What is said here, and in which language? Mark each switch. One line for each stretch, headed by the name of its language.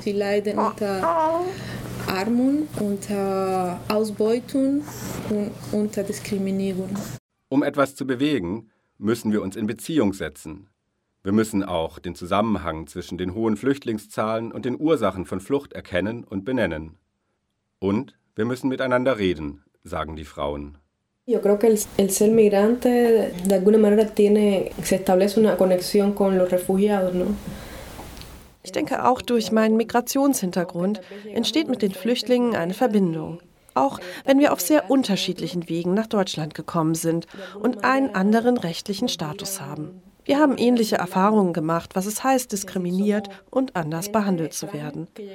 German: Sie leiden unter Armut, unter Ausbeutung und unter Diskriminierung. Um etwas zu bewegen, müssen wir uns in Beziehung setzen. Wir müssen auch den Zusammenhang zwischen den hohen Flüchtlingszahlen und den Ursachen von Flucht erkennen und benennen. Und wir müssen miteinander reden, sagen die Frauen.
Spanish: Yo creo que el ser migrante de alguna manera tiene se establece una conexión con los refugiados, ¿no?
German: Ich denke auch durch meinen Migrationshintergrund entsteht mit den Flüchtlingen eine Verbindung. Auch wenn wir auf sehr unterschiedlichen Wegen nach Deutschland gekommen sind und einen anderen rechtlichen Status haben. Wir haben ähnliche Erfahrungen gemacht, was es heißt, diskriminiert und anders behandelt zu werden.